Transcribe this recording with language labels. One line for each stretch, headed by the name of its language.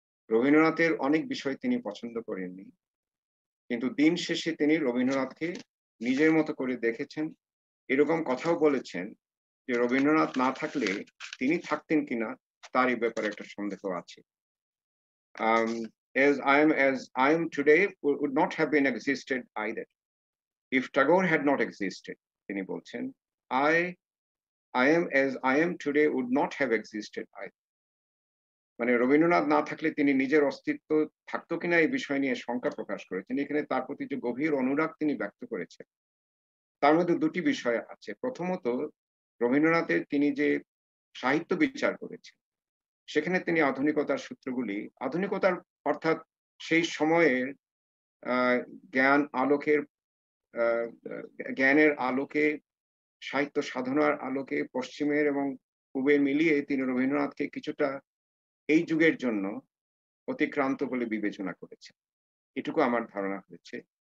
Bangla: রবীন্দ্রনাথের অনেক বিষয় তিনি পছন্দ করেননি, কিন্তু দিন শেষে তিনি রবীন্দ্রনাথকে নিজের মতো করে দেখেছেন, এরকম কথাও বলেছেন যে রবীন্দ্রনাথ না থাকলে তিনি থাকতেন কিনা তার এই ব্যাপারে একটা সন্দেহ আছে।
English: As I am today would not have been existed either if Tagore had not existed,
Bangla: তিনি বলছেন,
English: I am as I am today would not have existed either.
Bangla: মানে রবীন্দ্রনাথ না থাকলে তিনি নিজের অস্তিত্ব থাকতো কিনা এই বিষয় নিয়ে শঙ্কা প্রকাশ করেছেন। এখানে তার প্রতি যে গভীর অনুরাগ তিনি ব্যক্ত করেছেন তার মধ্যে দুটি বিষয় আছে। প্রথমত রবীন্দ্রনাথের তিনি যে সাহিত্য বিচার করেছেন সেখানে তিনি আধুনিকতার সূত্রগুলি, আধুনিকতার অর্থাৎ সেই সময়ের জ্ঞান আলোকের জ্ঞানের আলোকে, সাহিত্য সাধনার আলোকে পশ্চিমের এবং পূবে মিলিয়ে তিনি রবীন্দ্রনাথকে কিছুটা এই যুগের জন্য অতিক্রান্ত বলে বিবেচনা করেছেন, এটুকু আমার ধারণা হয়েছে।